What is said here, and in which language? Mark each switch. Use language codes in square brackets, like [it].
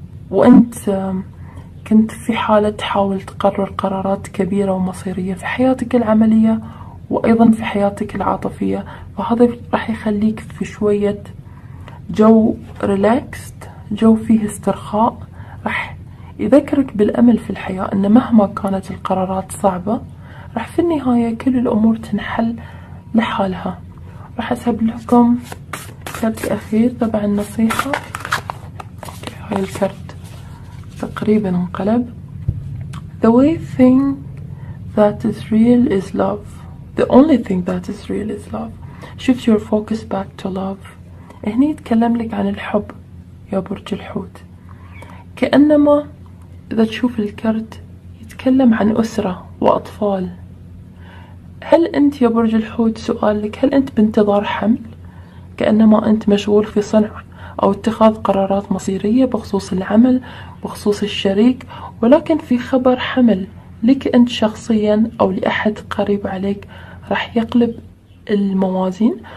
[ar] وأنت كنت في حالة تحاول تقرر قرارات كبيرة ومصيرية في حياتك العملية وأيضا في حياتك العاطفية، فهذا راح يخليك في شوية جو ريلاكست، جو فيه استرخاء، راح يذكرك بالأمل في الحياة، أن مهما كانت القرارات صعبة راح في النهاية كل الأمور تنحل لحالها. راح أسحب لكم كرت أخير، طبعا النصيحة هاي الكرت تقريبا انقلب. [en] The way thing that is real is love. The only thing that is real is love. Shift your focus back to love. [ar] هني يتكلم لك عن الحب يا برج الحوت، كأنما إذا تشوف الكرت يتكلم عن أسرة وأطفال. هل أنت يا برج الحوت، سؤالك، هل أنت بانتظار حمل؟ كأنما أنت مشغول في صنع أو اتخاذ قرارات مصيرية بخصوص العمل، بخصوص الشريك، ولكن في خبر حمل لك أنت شخصيا أو لأحد قريب عليك راح يقلب الموازين.